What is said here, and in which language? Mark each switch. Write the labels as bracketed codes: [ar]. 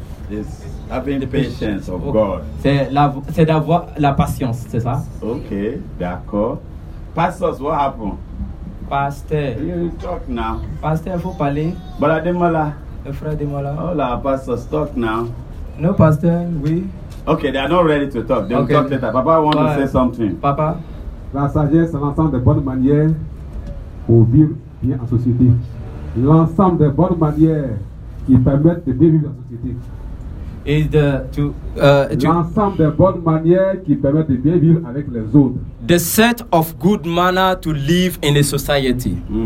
[en] Is having the patience of God. [fr] C'est d'avoir la patience, c'est ça? Ok, d'accord. [en] Pastors, what happened? [fr] Pasteur. [en] You talk now. [fr] Pasteur, vous parlez. Baladimola. Le frère de moi là. [es] Hola, [en] pastor, talk now. No, pastor, [fr] oui. [en] Okay, they are not ready to talk. They'll talk later. Papa, I want to say something. Papa. [fr] La sagesse, c'est l'ensemble des bonnes manières pour vivre bien en société. L'ensemble des bonnes manières qui permettent de bien vivre en société. L'ensemble des bonnes manières qui permettent de bien vivre avec les autres. [en] The set of good manner to live in a society.